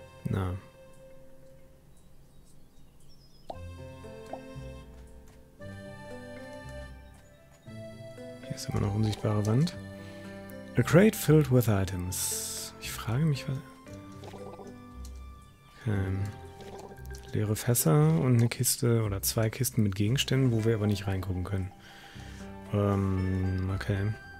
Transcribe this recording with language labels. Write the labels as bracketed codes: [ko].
[de] Na. Hier ist immer noch unsichtbare Wand. [en] A crate filled with items. [de] Ich frage mich, was... Okay. Leere Fässer und eine Kiste oder 2 Kisten mit Gegenständen, wo wir aber nicht reingucken können. Okay.